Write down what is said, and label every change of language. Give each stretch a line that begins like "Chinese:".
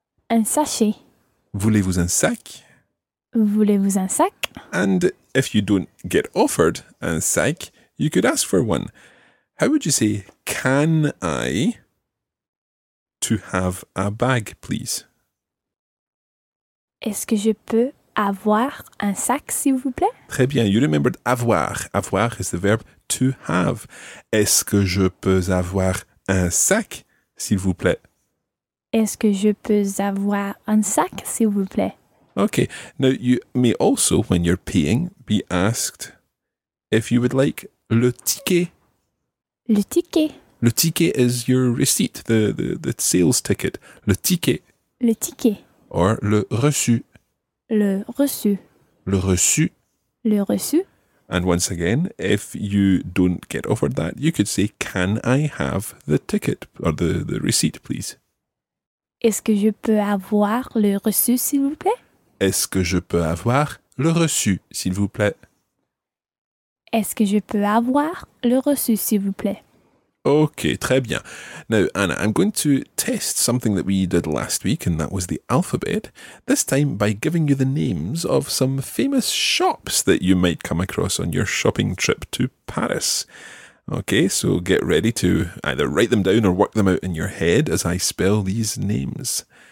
French: Un sachet. Voulez-vous un sac? Voulez-vous un sac?
English: And if you don't get offered
French: un sac,
English: you could ask for one. How would you say, can I to have a bag, please?
French: Est-ce que je peux avoir un sac, s'il vous plaît? Très bien.
English: You remembered avoir. Avoir is the verb to have.
French: Est-ce que je peux avoir un sac, s'il vous plaît? Est-ce que je peux avoir un sac, s'il vous plaît? Okay.
English: Now, you may also, when you're paying, be asked if you would like le ticket.
French: Le ticket.
English: Le ticket is your receipt, the sales ticket.
French: Le ticket. Le ticket.
English: Or
French: le reçu. Le reçu. Le reçu. Le reçu.
English: And once again, if you don't get offered that, you could say, can I have the ticket or the receipt, please?
French: Est-ce que je peux avoir le reçu, s'il vous plaît? Est-ce que je peux avoir le reçu, s'il vous plaît? Est-ce que je peux avoir le reçu, s'il vous plaît? Okay, très bien.
English: Now, Anna, I'm going to test something that we did last week, and that was the alphabet, this time by giving you the names of some famous shops that you might come across on your shopping trip to Paris. Okay, so get ready to either write them down or work them out in your head as I spell these names.